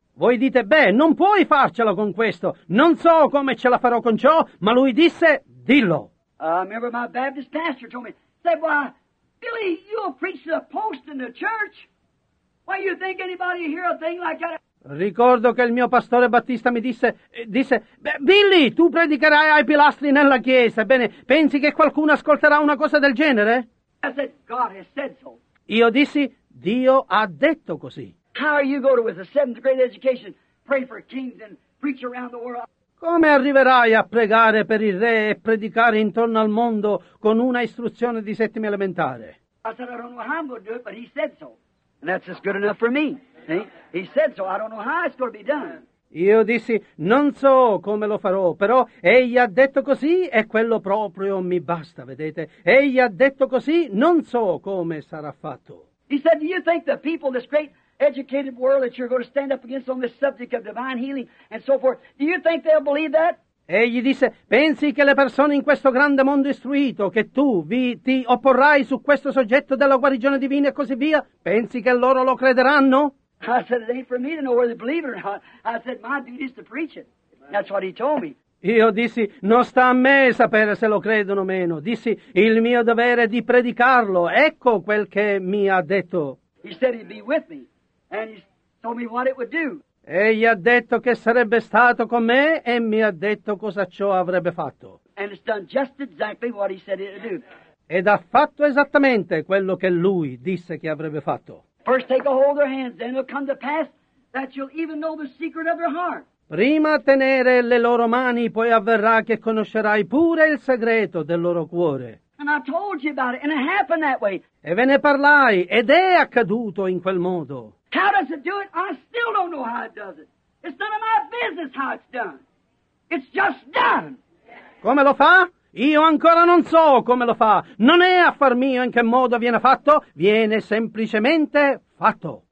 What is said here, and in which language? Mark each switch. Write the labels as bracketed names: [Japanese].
[Italian] Voi dite, beh, non puoi farcela con questo. Non so come ce la farò con ciò, ma lui disse, dillo. [English] Remember my Baptist pastor told me, said, why, Billy, you'll preach to the post in the church. Why, you think anybody hear a thing like that? [Italian] Ricordo che il mio pastore Battista mi disse, beh, Billy, tu predicherai ai pilastri nella chiesa. Bene, pensi che qualcuno ascolterà una cosa del genere? [English] I said, God has said so. [Italian] Io dissi, Dio ha detto così. [English] How are you going to, with a seventh grade education, pray for kings and preach around the world? [Italian] Come arriverai a pregare per il re e predicare intorno al mondo con una istruzione di settima elementare? [English] I said, I don't know how I'm going to do it, but he said so. And that's just good enough for me. See? He said so, I don't know how it's going to be done. [Italian] Io dissi, non so come lo farò, però egli ha detto così e quello proprio mi basta, vedete? Egli ha detto così, non so come sarà fatto. [English] He said, do you think the people, this great educated world that you're going to stand up against on this subject of divine healing and so forth, do you think they'll believe that? [Italian] Egli disse, pensi che le persone in questo grande mondo istruito, che tu ti opporrai su questo soggetto della guarigione divina e così via, pensi che loro lo crederanno? [English] I said, it ain't for me to know whether they believe it or not. I said, my duty is to preach it. That's what he told me. [Italian] Io dissi, non sta a me sapere se lo credono o meno. Dissi, il mio dovere è di predicarlo. Ecco quel che mi ha detto. [English] He said he'd be with me. And he told me what it would do. [Italian] Egli ha detto che sarebbe stato con me e mi ha detto cosa ciò avrebbe fatto. [English] And it's done just exactly what he said it would do. [Italian] Ed ha fatto esattamente quello che lui disse che avrebbe fatto. [English] First take a hold of their hands, then it'll come to pass that you'll even know the secret of their heart. [Italian] Prima tenere le loro mani, poi avverrà che conoscerai pure il segreto del loro cuore. [English] And I told you about it, and it happened that way. [Italian] E ve ne parlai, ed è accaduto in quel modo. [English] How does it do it? I still don't know how it does it. It's none of my business how it's done. It's just done. [Italian] Come lo fa? Io ancora non so come lo fa. Non è affar mio in che modo viene fatto, viene semplicemente fatto.